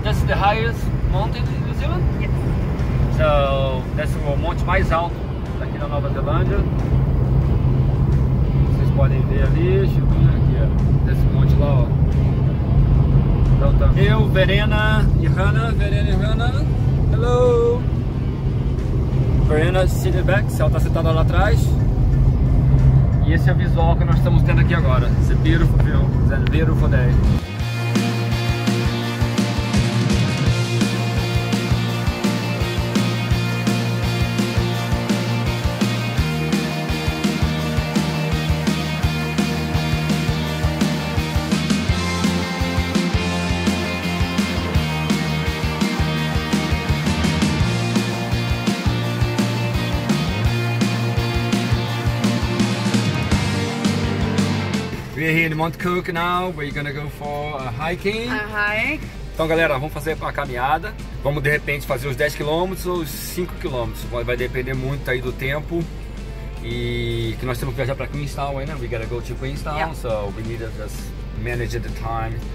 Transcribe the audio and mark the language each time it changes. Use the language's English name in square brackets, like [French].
[English] This is the highest mountain in New Zealand? Yes. So, this is [Portuguese] o monte mais alto aqui da Nova Zelândia. Vocês podem ver ali, deixa eu ver aqui, ó. Desse monte lá, ó. Então, tá. Eu, Verena e Hannah. Verena e Hannah. [English] Hello! [Portuguese] Verena, [English] sitting back. [Portuguese] Ela está sentada lá atrás. E esse é o visual que nós estamos tendo aqui agora. [English] It's a beautiful view. It's a beautiful day. Mount Cook now, we're gonna go for a hiking. A hike. [Portuguese] Então galera, vamos fazer a caminhada. Vamos de repente fazer os 10 km ou os 5 km. Vai depender muito aí do tempo. E que nós temos que viajar para Queenstown, né? [English] We gotta go to Queenstown, yeah. So we need to just manage the time.